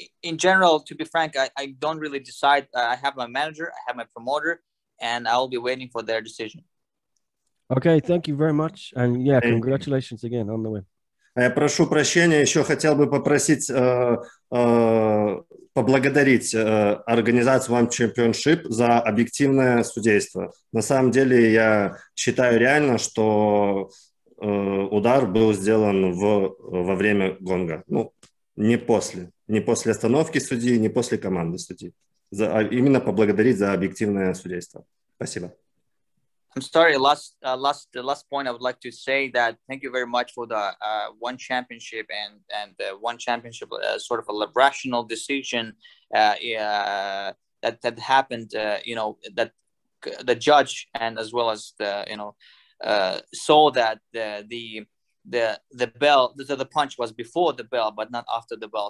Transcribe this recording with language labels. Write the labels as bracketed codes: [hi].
[en] In general, to be frank, I don't really decide. I have my manager, I have my promoter, and I'll be waiting for their decision. Okay, thank you very much, and yeah, congratulations again on the win. [ru] Я прошу прощения, еще хотел бы поблагодарить организацию One Championship за объективное судейство. На самом деле, я считаю реально, что удар был сделан во время гонга. Ну, не после. Не после остановки судьи, не после команды судьи. Именно поблагодарить за объективное судейство. Спасибо. [en] I'm sorry, last point I would like to say that thank you very much for the one championship and the one championship sort of a rational decision that happened, you know, that the judge and as well as the, you know, saw that the bell, the punch was before the bell, but not after the bell.